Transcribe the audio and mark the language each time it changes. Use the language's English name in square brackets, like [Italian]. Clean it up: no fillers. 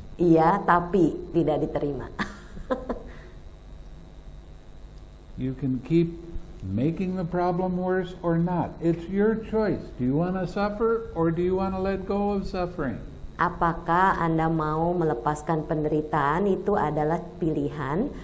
[Indonesian] Iya, tapi tidak diterima. [English] You can keep making the problem worse or not. It's your choice. Do you want to suffer or do you want to let go of suffering? [Indonesian] Apakah Anda mau melepaskan penderitaan itu adalah pilihan.